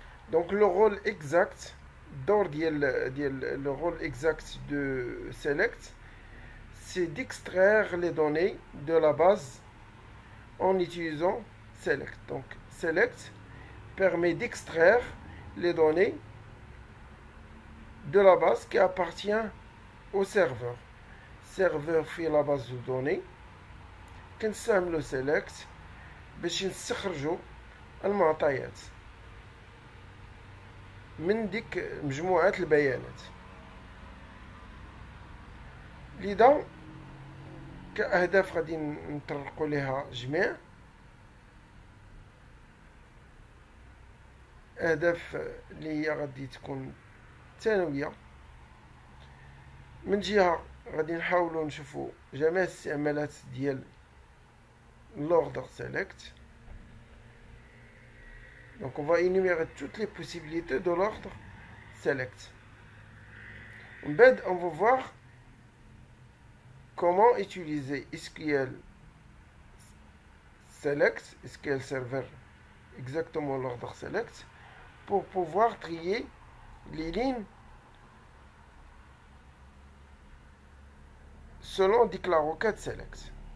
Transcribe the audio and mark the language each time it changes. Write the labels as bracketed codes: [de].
[fr] Donc, le rôle exact le rôle exact de Select, c'est d'extraire les données de la base en utilisant Select. Donc, Select permet d'extraire les données de la base qui appartient au serveur. Serveur fait la base de données. Qu'est-ce que Select? Bien, c'est le [ar] من ديك مجموعات البيانات. لذا كأهداف غادي نطرقوا لها جميع أهداف اللي هي غادي تكون ثانوية. من جهة غادي نحاولوا نشوفوا جميع الاستعمالات ديال الأوردر سيلكت. [fr] Donc, on va énumérer toutes les possibilités de l'ordre SELECT. On va voir comment utiliser SQL SELECT, SQL Server, exactement l'ordre SELECT, pour pouvoir trier les lignes selon des requêtes SELECT.